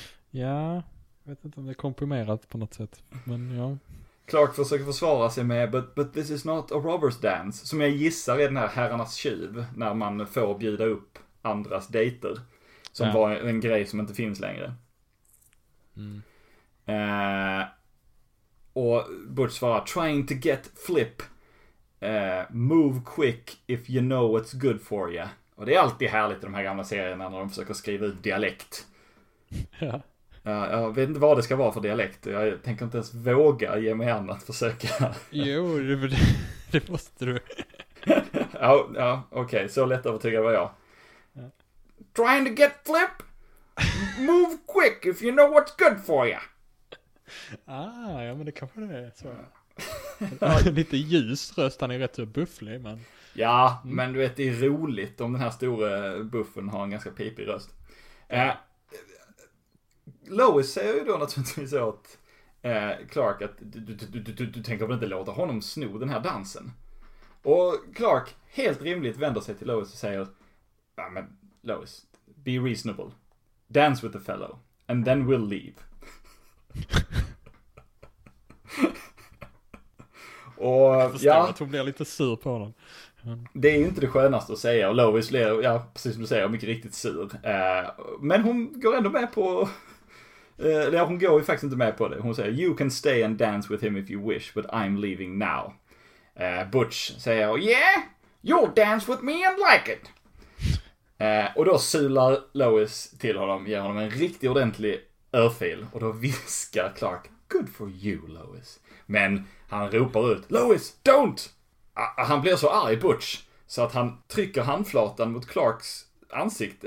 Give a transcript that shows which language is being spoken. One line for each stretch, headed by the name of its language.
Swedish: Ja, jag vet inte om det är komprimerat på något sätt, men ja. Clark försöker försvara sig med
English: but this is not a robber's dance,
Swedish: som jag gissar är den här herrarnas tjuv, när man får bjuda upp andras dejter, som var en grej som inte finns längre. Och Butch svarar:
English: trying to get flip, move quick if you know what's good for you.
Swedish: Och det är alltid härligt i de här gamla serierna när de försöker skriva ut dialekt. Ja. Jag vet inte vad det ska vara för dialekt. Jag tänker inte ens våga ge mig an att försöka. Jo, det måste du. Ja, okej, okay. Så lätt att övertyga var jag.
English: Trying to get flip, move quick if you know what's good for you.
Swedish: Ja, men det kanske det är så. Lite ljus röst, han är rätt bufflig, men... Ja, men du vet, det är roligt om den här stora buffen har en ganska pipig röst. Lois säger ju då naturligtvis åt Clark att du tänker väl inte låta honom sno den här dansen. Och Clark, helt rimligt, vänder sig till Lois och säger: ja, men Lois,
English: be reasonable. Dance with the fellow, and then we'll leave.
Swedish: Och ja, jag tror blir lite sur på honom. Det är ju inte det skönaste att säga. Och Lois blir, ja, precis som du säger, mycket riktigt sur. Men hon går ändå med på... Eller hon går ju faktiskt inte med på det. Hon säger,
English: you can stay and dance with him if you wish, but I'm leaving now.
Swedish: Butch säger,
English: yeah, you'll dance with me and like it.
Swedish: Och då sular Lois till honom, ger honom en riktigt ordentlig örfil. Och då viskar Clark,
English: good for you, Lois.
Swedish: Men han ropar ut,
English: Lois, don't!
Swedish: Han blir så arg, Butch, så att han trycker handflatan mot Clarks ansikte.